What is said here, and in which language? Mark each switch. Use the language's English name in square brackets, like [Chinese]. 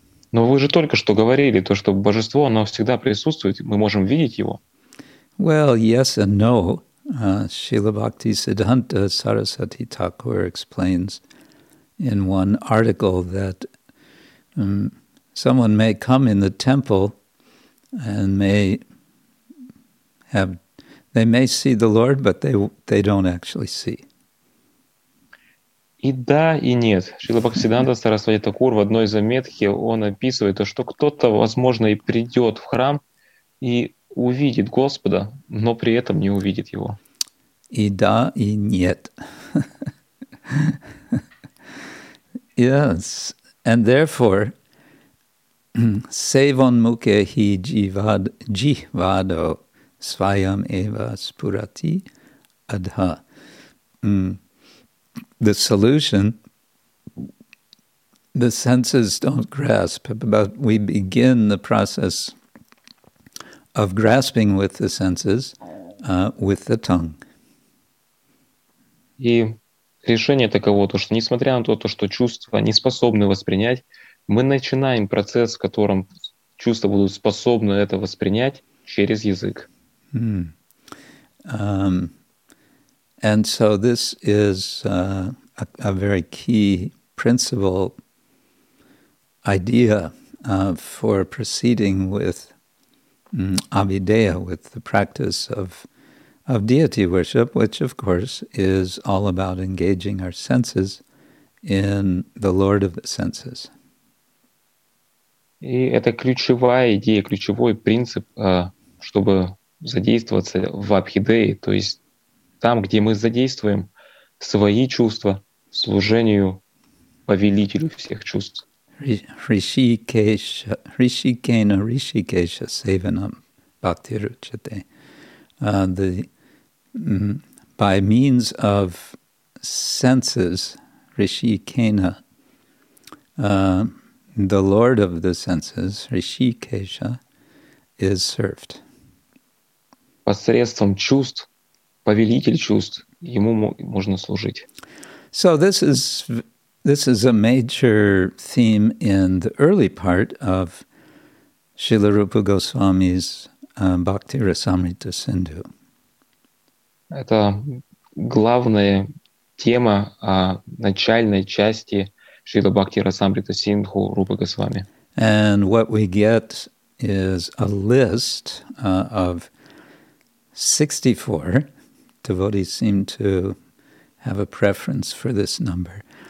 [Russian] Но вы же только что говорили, то, что божество, оно всегда присутствует, мы можем видеть его. [English] Well, yes and no. Srila Bhakti Siddhanta Sarasvati Thakur explains in one article that someone may come in the temple and may see the Lord, but they don't actually see. [Russian] И да, и нет. Шрила Бхактисиддханта Сарасвати Такур в одной заметке он описывает то, что кто-то, возможно, и придет в храм и увидит Господа, но при этом не увидит его. И да, и нет. [English] Yes. And therefore, [Sanskrit] Sevon Mukhe Hi Jihvado Svayam Eva Spurati Adha. [English] The solution, the senses don't grasp, but we begin the process of grasping with the senses, with the tongue. [Russian] И решение таково, то, что несмотря на то, что чувства не способны воспринять, мы начинаем процесс, в котором чувства будут способны это воспринять через язык. [English] And so this is a very key principle idea for proceeding with avideya, with the practice of deity worship, which of course is all about engaging our senses in the Lord of the senses. [Russian] И это ключевая идея, ключевой принцип, чтобы задействоваться в абхидее, то есть там, где мы задействуем свои чувства служению повелителю всех чувств. [Sanskrit] Ришикена Ришикеша Севанам Бхактируччате. [English] By means of senses, Ришикена, the Lord of the senses, Ришикеша, is served. [Russian] Посредством чувств, повелитель чувств, ему можно служить. [English] So this is a major theme in the early part of Srila Rupa Goswami's Bhakti Rasamrita Sindhu. [Russian] Это главная тема начальной части Шрила Бхакти Расамрита Синдху Рупа Госвами. [English] And what we get is a list of 64. Devotees seem to have a preference for this number.